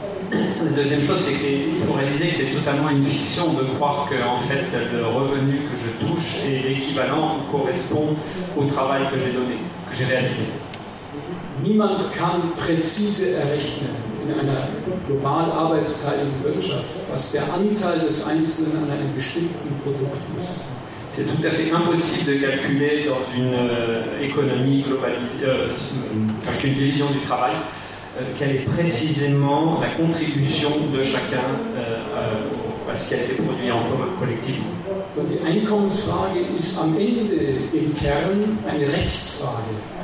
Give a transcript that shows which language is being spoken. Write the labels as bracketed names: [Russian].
[French] La deuxième chose, c'est qu'il faut réaliser que c'est totalement une fiction de croire que, en fait, le revenu que je touche est l'équivalent ou correspond au travail que j'ai donné, que j'ai réalisé. [German] Niemand kann präzise errechnen in einer global arbeitsteiligen Wirtschaft, was der Anteil des Einzelnen an einem bestimmten Produkt ist. [French] C'est tout à fait impossible de calculer dans une économie globalisée, avec une division du travail, quelle est précisément la contribution de chacun à ce qui a été produit en collectif. Donc, [German] die Einkommensfrage ist am Ende im Kern eine Rechtsfrage.